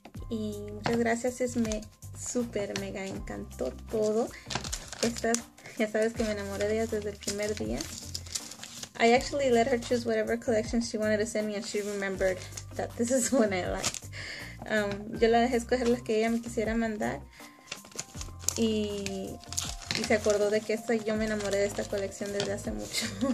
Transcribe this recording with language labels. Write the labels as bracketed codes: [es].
[es] Y muchas gracias, Esme. Super mega encantó todo. Estas, ya sabes que me enamoré de ellas desde el primer día. [en] I actually let her choose whatever collection she wanted to send me, and she remembered that this is one I liked. [es] Yo la dejé escoger las que ella me quisiera mandar, y se acordó de que esta, yo me enamoré de esta colección desde hace mucho.